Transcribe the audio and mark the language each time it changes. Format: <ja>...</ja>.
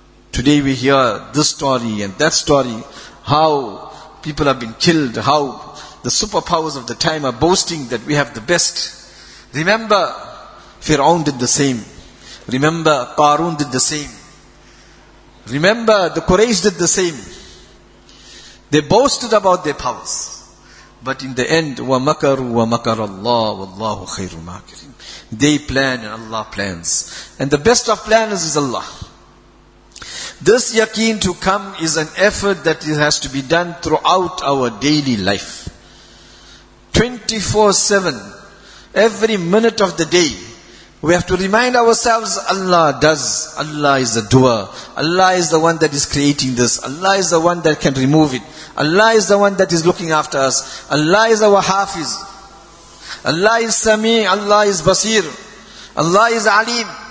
<en>Today we hear this story and that story, how people have been killed, how the superpowers of the time are boasting that we have the best. Remember, Fir'aun did the same. Remember, Qarun did the same. Remember, the Quraysh did the same. They boasted about their powers. But in the end,</en> <ar>وَمَكَرُوا وَمَكَرَ اللَّهُ وَاللَّهُ خَيْرُ مَاكِرٍ.</ar> <en>They plan and Allah plans. And the best of planners is Allah. This yaqeen to come is an effort that it has to be done throughout our daily life. 24/7, every minute of the day, we have to remind ourselves, Allah does, Allah is the doer, Allah is the one that is creating this, Allah is the one that can remove it, Allah is the one that is looking after us, Allah is our hafiz, Allah is sami, Allah is basir, Allah is alim.</en>